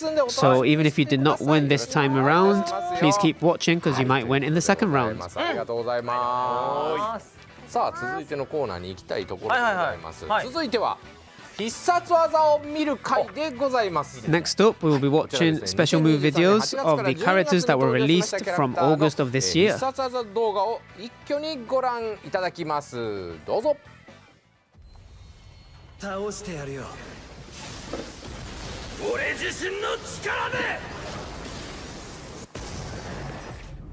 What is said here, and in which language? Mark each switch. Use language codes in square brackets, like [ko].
[en] So even if you did not win this time around, please keep watching because you might win in the second round. [ja] ありがとうございます。さあ続いてのコーナーに行きたいところでございます。続いては必殺技を見る回でございます。 [en] Next up, we will be watching special move videos of the characters that were released from August of this year. [ja] 必殺技動画を一挙にご覧いただきます。どうぞ。倒してやるよ、俺自身の力で。うん、素晴らしい。